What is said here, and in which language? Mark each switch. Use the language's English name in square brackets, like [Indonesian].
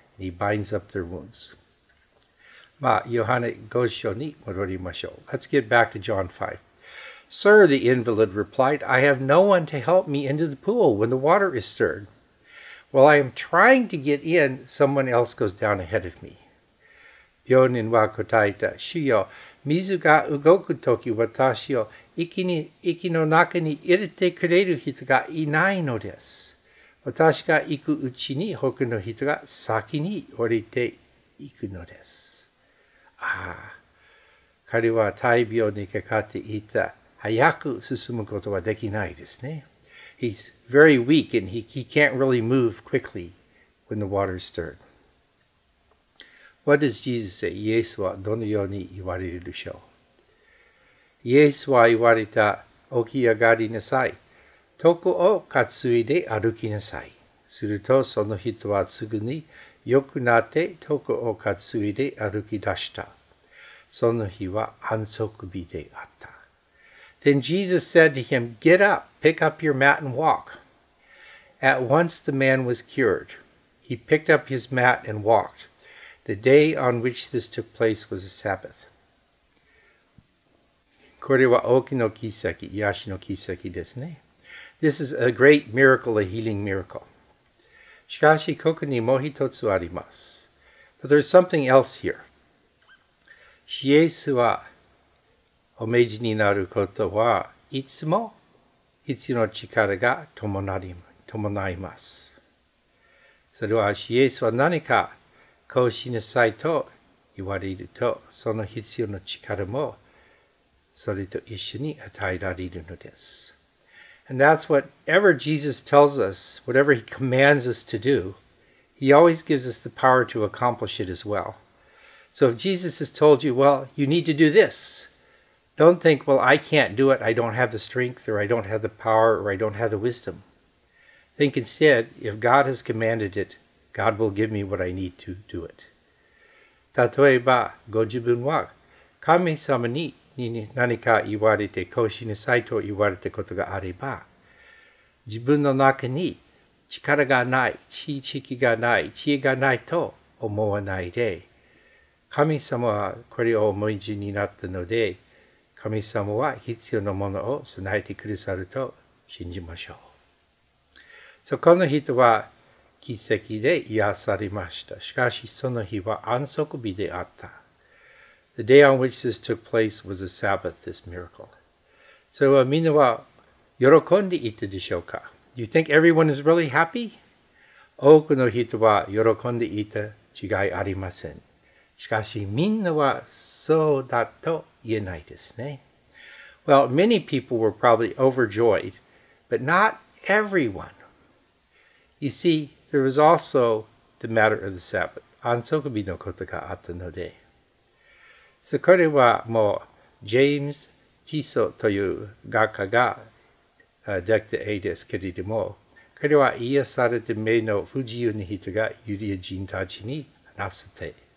[English] And he binds up their wounds. [Japanese] まあ、ヨハネ5章に戻りましょう。 [English] Let's get back to John 5. Sir, the invalid replied, I have no one to help me into the pool when the water is stirred. While I am trying to get in, someone else goes down ahead of me. [Japanese] 病人は答えた、主よ、水が動くとき私を息の中に入れてくれる人がいないのです。私が行くうちに他の人が先に降りていくのです。ああ、彼は大病にかかっていた。早く進むことはできないですね。 [English] He's very weak and he can't really move quickly when the water is stirred. What does Jesus say? [Japanese] イエスはどのように言われるでしょう。イエスは言われた、起き上がりなさい。床を担いで歩きなさい。するとその人はすぐに良くなって床を担いで歩き出した。その日は安息日であった。 [English] Then Jesus said to him, Get up, pick up your mat and walk. At once the man was cured. He picked up his mat and walked. The day on which this took place was a Sabbath. [Japanese] これは大きな奇跡、癒しの奇跡ですね。 [English] This is a great miracle, a healing miracle. [Japanese] しかしここにもう一つあります。 [English] But there's something else here. [Japanese] イエスはお命じになることはいつも必要な力が伴います。それはイエスは何かこうしなさいと言われるとその必要な力もそれと一緒に与えられるのです。 [English] And that's whatever Jesus tells us, whatever he commands us to do, he always gives us the power to accomplish it as well. So if Jesus has told you, well, you need to do this,Don't think, well, I can't do it. I don't have the strength, or I don't have the power, or I don't have the wisdom. Think instead, if God has commanded it, God will give me what I need to do it. [Japanese] 例えば、ご自分は、神様に何か言われて、こうしなさいと言われたことがあれば、自分の中に力がない、知識がない、知恵がないと思わないで、神様はこれを思い出になったので、神様は必要なものを備えてくださると信じましょう。 So, この人は奇跡で癒されました。しかしその日は安息日であった。 [English] The day on which this took place was a Sabbath, this miracle. [Japanese] So, みんなは喜んでいたでしょうか? [English] Do you think everyone is really happy? [Japanese] 多くの人は喜んでいた違いありません。しかしみんなはそうだと言えないですね。 [English] Well, many people were probably overjoyed, but not everyone. You see, there was also the matter of the Sabbath. [Japanese] 安息日のことがあったので。So, これはもうジェームズ・ティソという画家が出来た絵ですけれども、これは癒されて目の不自由な人がユダヤ人たちに話す手。